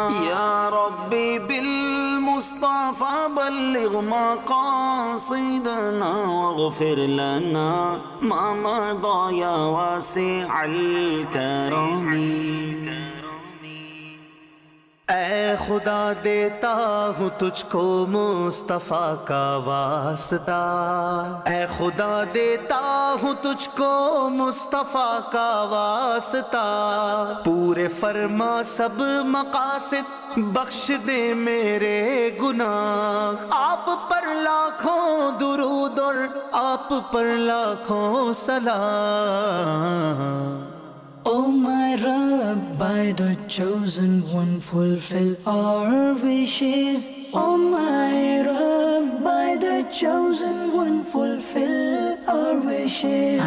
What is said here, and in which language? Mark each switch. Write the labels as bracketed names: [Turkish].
[Arabic] يَا رَبِّ بالمصطفى بلغ مقاصدنا واغفر لنا ما مضى يا واسع الكرم. [Urdu] اے خدا دیتا ہوں تجھ کو مصطفیٰ کا واسطہ. اے خدا دیتا ہوں تجھ کو مصطفیٰ کا واسطہ. پورے فرما سب مقاصد بخش دے میرے گناہ. آپ پر لاکھوں درود اور آپ پر لاکھوں سلام. [English] O my Rabb, by the chosen one, fulfill our wishes. O my Rabb, by the chosen one, fulfill our wishes.